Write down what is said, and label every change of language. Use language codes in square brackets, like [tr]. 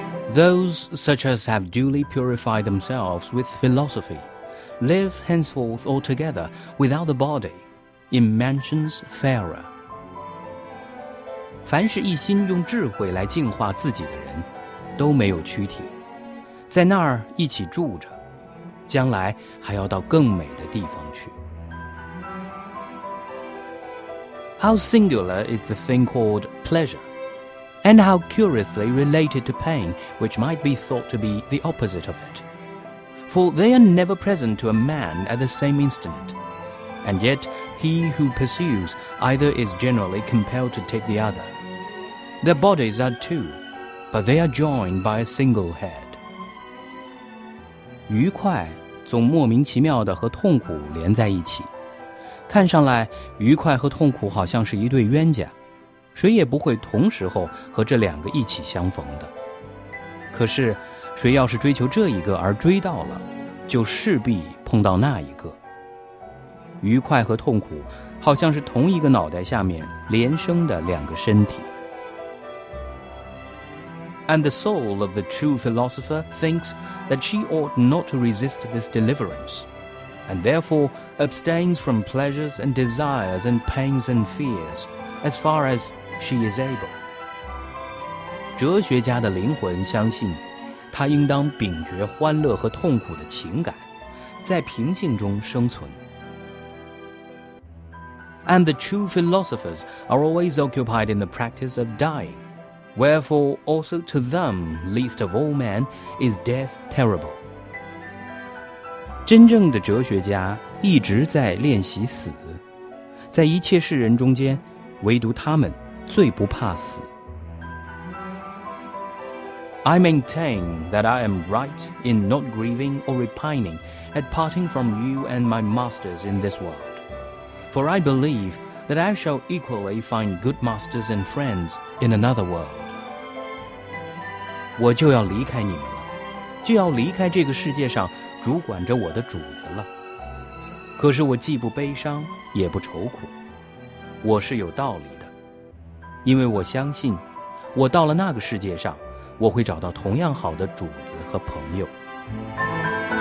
[en] Those such as have duly purified themselves with philosophy live henceforth altogether without the body in mansions fairer. [zh] 凡是一心用智慧来净化自己的人都没有躯体，在那儿一起住着，将来还要到更美的地方去。 [en] How singular is the thing called pleasure, and how curiously related to pain, which might be thought to be the opposite of it. For they are never present to a man at the same instant, and yet he who pursues either is generally compelled to take the other. Their bodies are two, but they are joined by a single head. [zh] 愉快总莫名其妙地和痛苦连在一起，看上来愉快和痛苦好像是一对冤家，谁也不会同时候和这两个一起相逢的。可是谁要是追求这一个而追到了，就势必碰到那一个。愉快和痛苦好像是同一个脑袋下面连生的两个身体。 [en] And the soul of the true philosopher thinks that she ought not to resist this deliverance, and therefore abstains from pleasures and desires and pains and fears, as far as she is able. [zh] 哲学家的灵魂相信，他应当摒绝欢乐和痛苦的情感，在平静中生存。 [en] And the true philosophers are always occupied in the practice of dying. Wherefore, also to them, least of all men, is death terrible. [zh] 真正的哲学家一直在练习死，在一切世人中间，唯独他们最不怕死。 [en] I maintain that I am right in not grieving or repining at parting from you and my masters in this world. For I believe that I shall equally find good masters and friends in another world. [zh] 我就要离开你们了，就要离开这个世界上主管着我的主子了。可是我既不悲伤，也不愁苦，我是有道理的，因为我相信，我到了那个世界上，我会找到同样好的主子和朋友。